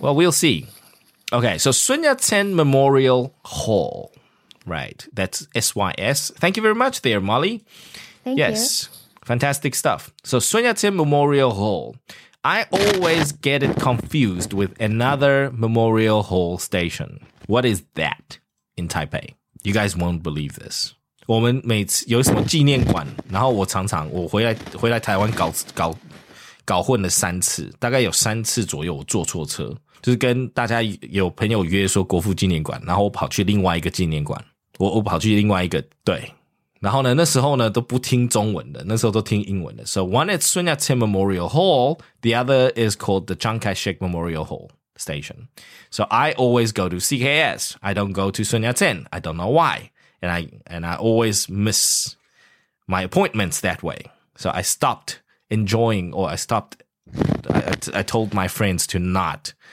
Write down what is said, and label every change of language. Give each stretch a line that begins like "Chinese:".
English: Well, we'll see. Okay, so Sun Yat-sen Memorial Hall. Right, that's S-Y-S. Thank you very much there, Molly. Thank you. Fantastic stuff. So Sun Yat-sen Memorial Hall. I always get it confused with another Memorial Hall station. What is that in Taipei? You guys won't believe this.
Chinese: 我们每次有什么纪念馆，然后我常常我回来台湾搞混了三次，大概有三次左右我坐错车。就是跟大家有朋友约说国父纪念馆，然后我跑去另外一个纪念馆，我跑去另外一个，对，然后呢，那时候呢都不听中文的，那时候都听英文的。
English: So one is Sun Yat-sen Memorial Hall, the other is called the Chiang Kai-shek Memorial Hall Station. So I always go to CKS. I don't go to Sun Yat-sen. I don't know why, and I always miss my appointments that way. So I stopped enjoying, or I stopped. I told my friends to not.